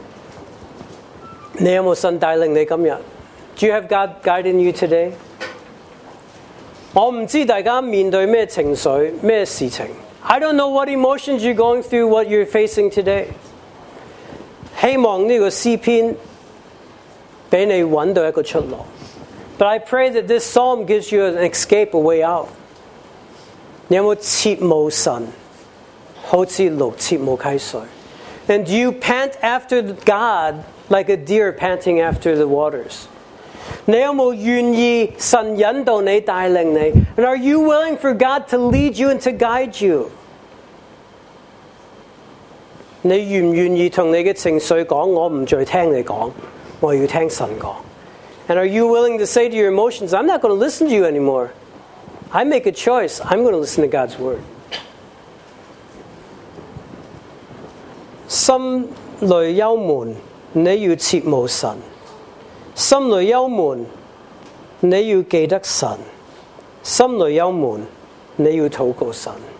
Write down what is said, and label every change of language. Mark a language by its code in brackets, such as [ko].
[zh] 感谢主,你有没有神带领你今天? [en] Do you have God guiding you today? [zh] 我不知道大家面对什么情绪,什么事情。 [en] I don't know what emotions you're going through, what you're facing today. [zh] 希望这个诗篇,给你找到一个出路。 [en] But I pray that this psalm gives you an escape, a way out. [zh] 你有没有切慕神,好像鹿切慕溪水? [en] And do you pant after God like a deer panting after the waters? [zh] 你有没有愿意神引导你,带领你? [en] And are you willing for God to lead you and to guide you? [zh] 你愿不愿意跟你的情绪说，我不再听你说，我要听神说。 [en] And are you willing to say to your emotions, I'm not going to listen to you anymore, I make a choice, I'm going to listen to God's word. [zh] Some 心里忧闷，你要切慕神；心里忧闷，你要记得神；心里忧闷，你要祷告神。